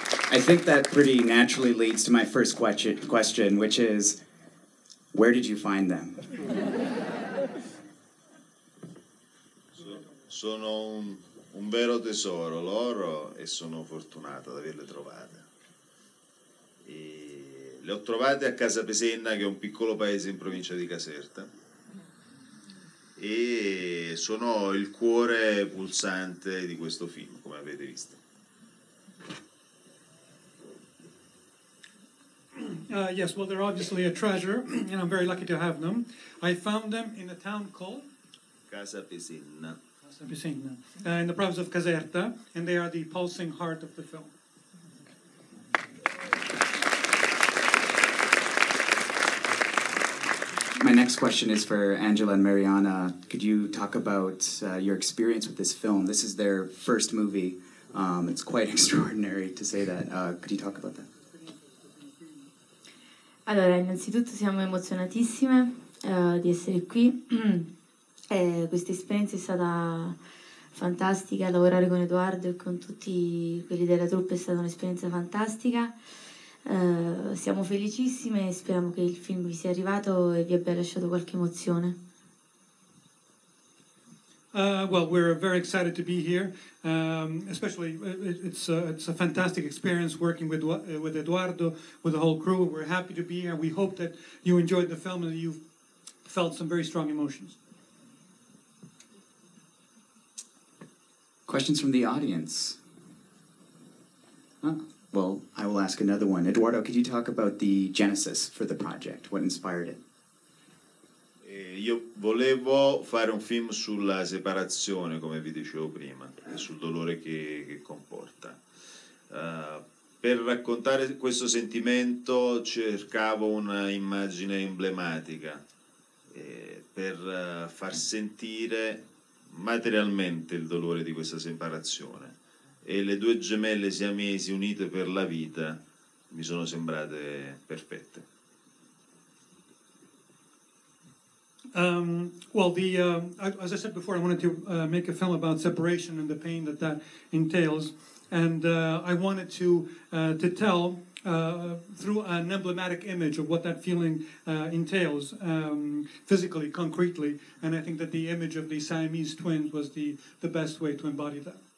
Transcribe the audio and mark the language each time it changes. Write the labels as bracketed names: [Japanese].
[English] I think that pretty naturally leads to my first question, which is, where did you find them? [Italian] Sono un vero tesoro loro e sono fortunato ad averle trovate. E le ho trovate a Casa Pesenna, che è un piccolo paese in provincia di Caserta, e sono il cuore pulsante di questo film, come avete visto. [English] Yes, well, they're obviously a treasure, and I'm very lucky to have them. I found them in a town called? Casa Pesenna. Casa Pesenna, in the province of Caserta, and they are the pulsing heart of the film. My next question is for Angela and Marianna. Could you talk about your experience with this film? This is their first movie. It's quite extraordinary to say that. Could you talk about that? [Italian] Allora, innanzitutto siamo emozionatissime di essere qui. Questa esperienza è stata fantastica, lavorare con Edoardo e con tutti quelli della troupe è stata un'esperienza fantastica. Siamo felicissime e speriamo che il film vi sia arrivato e vi abbia lasciato qualche emozione. [English] Well, we're very excited to be here, especially it's a fantastic experience working with Edoardo, with the whole crew. We're happy to be here. We hope that you enjoyed the film and that you've felt some very strong emotions. Questions from the audience? Well, I will ask another one. Edoardo, could you talk about the genesis for the project? What inspired it? [Italian] Io volevo fare un film sulla separazione, come vi dicevo prima, e sul dolore che comporta. Per raccontare questo sentimento cercavo un'immagine emblematica per far sentire materialmente il dolore di questa separazione. E le due gemelle siamesi unite per la vita mi sono sembrate perfette. [English] As I said before, I wanted to make a film about separation and the pain that that entails, and I wanted to tell through an emblematic image of what that feeling entails physically, concretely, and I think that the image of the Siamese twins was the best way to embody that.